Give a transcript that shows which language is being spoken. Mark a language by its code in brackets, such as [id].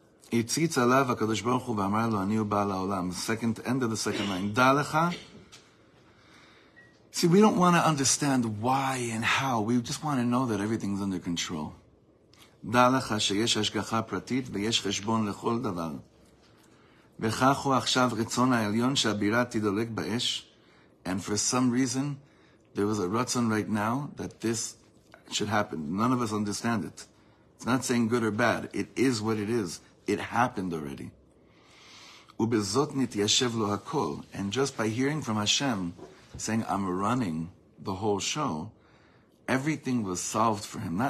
[he] Yitzitz alav HaKadosh Baruch Hu v'amar lo ani ba'al ha'olam. [en] Second, end of the second line. [he] Dalecha. [en] See, we don't want to understand why and how. We just want to know that everything's under control. [he] Dalecha sheyesh hashgacha pratit v'yesh cheshbon lechol davar. וכך הוא עכשיו רצון העליון שהבירה תדולק באש. [en] And for some reason, there was a רצון right now that this should happen. None of us understand it. It's not saying good or bad. It is what it is. It happened already. [he] ובזאת נתיישב לו הכל. [en] And just by hearing from Hashem, saying, I'm running the whole show, everything was solved for him.